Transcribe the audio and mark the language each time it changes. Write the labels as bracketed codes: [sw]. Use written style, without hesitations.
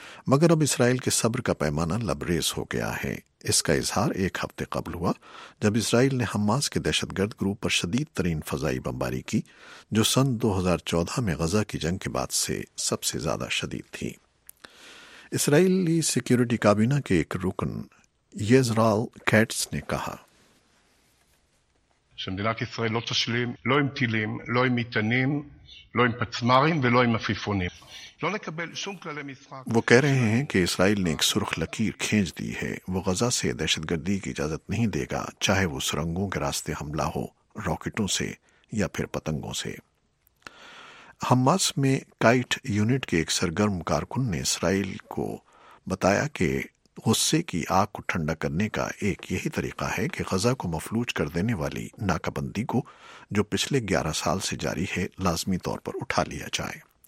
[ur] مگر اب اسرائیل کے صبر کا پیمانہ لبریز ہو گیا ہے۔ اس کا اظہار ایک ہفتے قبل ہوا جب اسرائیل نے حماس کے دہشت گرد گروپ پر شدید ترین فضائی بمباری کی جو سن 2014 میں غزہ کی جنگ کے بعد سے سب سے زیادہ شدید تھی۔ اسرائیلی سیکیورٹی کابینہ کے ایک رکن یزرائیل کیٹس نے کہا، [he] שמדינת ישראל לא תשלים לא עם טילים, לא עם מטענים, לא עם פצמרים ולא עם עפיפונים. לא לקבל שום כללי משחק. [ur] وہ کہہ رہے ہیں کہ اسرائیل نے ایک سرخ لکیر کھینچ دی ہے، وہ غزہ سے دہشت گردی کی اجازت نہیں دے گا، چاہے وہ سرنگوں کے راستے حملہ ہو، راکٹوں سے یا پھر پتنگوں سے۔ حماس میں کائٹ یونٹ کے ایک سرگرم کارکن نے اسرائیل کو بتایا کہ غصے کی آگ کو ٹھنڈا کرنے کا ایک یہی طریقہ ہے کہ غزہ کو مفلوج کر دینے والی ناکہ بندی کو جو پچھلے 11 سال سے جاری ہے لازمی طور پر اٹھا لیا جائے۔